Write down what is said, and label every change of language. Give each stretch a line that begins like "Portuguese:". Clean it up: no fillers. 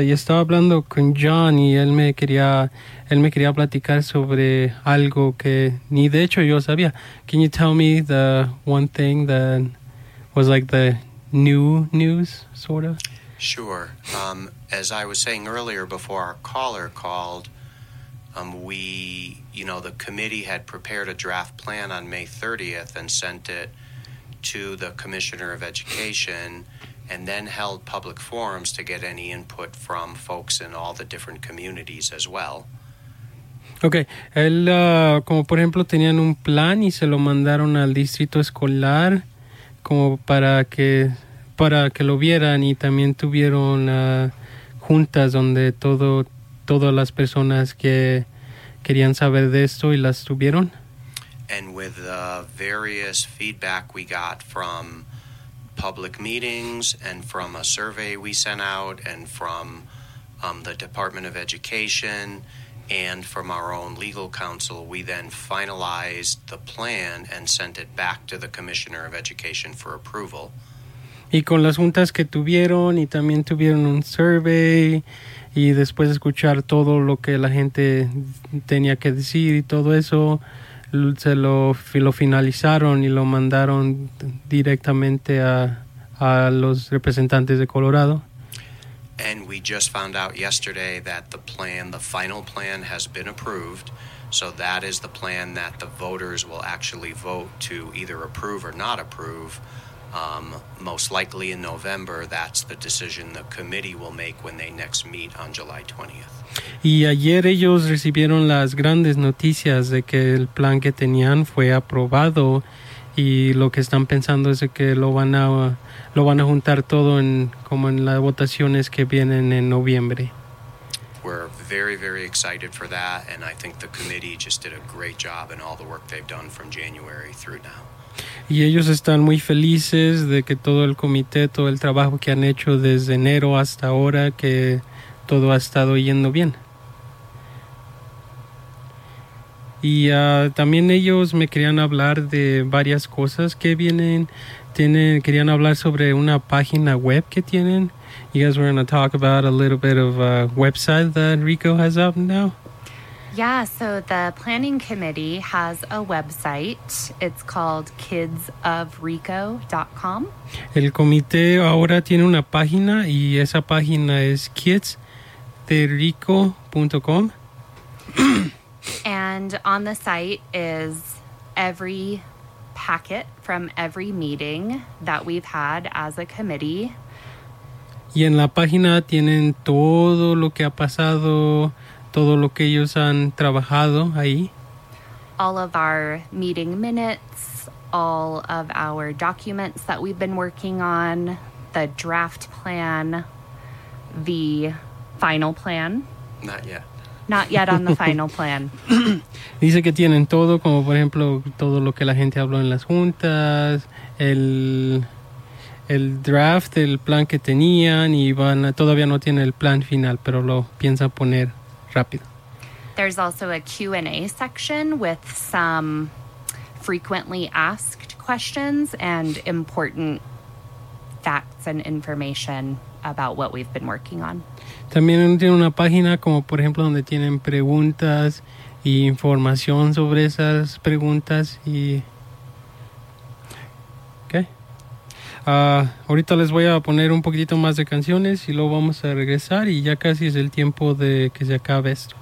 Spanish: Y estaba hablando con John y él me quería platicar sobre algo que ni de hecho yo sabía.
English: Can you tell me the one thing that was like the new news, sort of? Sure. As I was saying earlier before our caller called, the committee had prepared a draft plan on May 30th and sent it to the Commissioner of Education, and then held public forums to get any input from folks in all the different communities as well.
Spanish: Okay, como por ejemplo tenían un plan y se lo mandaron al Distrito Escolar como para que lo vieran, y también tuvieron juntas donde todas las personas que querían saber de esto y las tuvieron.
English: And with the various feedback we got from public meetings and from a survey we sent out and from the Department of Education and from our own legal counsel, we then finalized the plan and sent it back to the Commissioner of Education for approval.
Spanish: Y con las juntas que tuvieron, y también tuvieron un survey, y después de escuchar todo lo que la gente tenía que decir y todo eso, Se lo finalizaron y lo mandaron directamente a los representantes de Colorado.
English: And we just found out yesterday that the final plan has been approved. So that is the plan that the voters will actually vote to either approve or not approve. Most likely in November, that's the decision the committee will make when they next meet on July 20th.
Spanish: Y ayer ellos recibieron las grandes noticias de que el plan que tenían fue aprobado, y lo que están pensando es de que lo van a juntar todo como en las votaciones que vienen en noviembre.
English: We're very, very excited for that, and I think the committee just did a great job in all the work they've done from January through now.
Spanish: Y ellos están muy felices de que todo el comité, todo el trabajo que han hecho desde enero hasta ahora, que todo ha estado yendo bien. Y también ellos me querían hablar de varias cosas que vienen. Querían hablar sobre una página web que tienen.
English: You guys were going to talk about a little bit of a website that Rico has up now. Yeah, so the planning committee has a website. It's called kidsofrico.com.
Spanish: El comité ahora tiene una página, y esa página es kidsofrico.com. www.anexión.com.
English: And on the site is every packet from every meeting that we've had as a committee.
Spanish: Y en la página tienen todo lo que ha pasado, todo lo que ellos han trabajado ahí.
English: All of our meeting minutes, all of our documents that we've been working on, the draft plan, the final plan. Not yet. Not yet on the final plan.
Spanish: Dice que tienen todo, como por ejemplo, todo lo que la gente habló en las juntas, el draft, el plan que tenían, y van a, todavía no tiene el plan final, pero lo piensa poner rápido.
English: There's also a Q&A section with some frequently asked questions and important facts and information about what we've been working on.
Spanish: También tiene una página como, por ejemplo, donde tienen preguntas y información sobre esas preguntas y... ahorita les voy a poner un poquitito más de canciones y luego vamos a regresar y ya casi es el tiempo de que se acabe esto.